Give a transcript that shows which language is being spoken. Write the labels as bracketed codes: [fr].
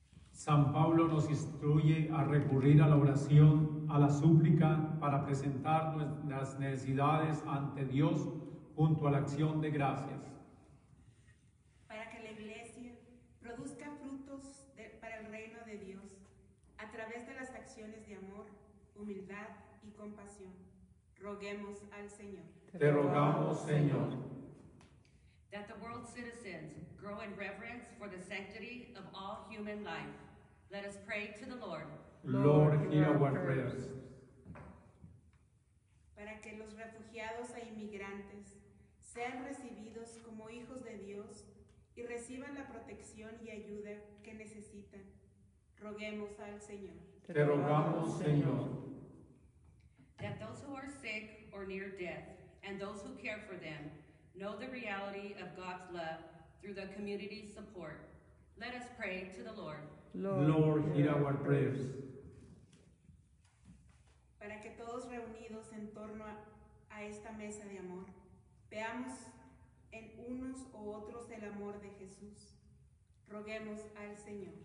[es] San Pablo nos instruye a recurrir a la oración, a la súplica, para presentar nuestras necesidades ante Dios junto a la acción de gracias. Para que la Iglesia produzca frutos para el reino de Dios, a través de las acciones de amor, humildad y compasión, roguemos al Señor. Te rogamos, Señor. [en] That the world's citizens grow in reverence for the sanctity of all human life. Let us pray to the Lord. Lord, hear our prayers. [es] Para que los refugiados e inmigrantes sean recibidos como hijos de Dios y reciban la protección y ayuda que necesitan, roguemos al Señor. Te rogamos, Señor. [en] That those who are sick or near death and those who care for them know the reality of God's love through the community's support, let us pray to the Lord. Lord, hear our prayers. [es] Para que todos reunidos en torno a esta mesa de amor veamos en unos u otros el amor de Jesús, roguemos al Señor.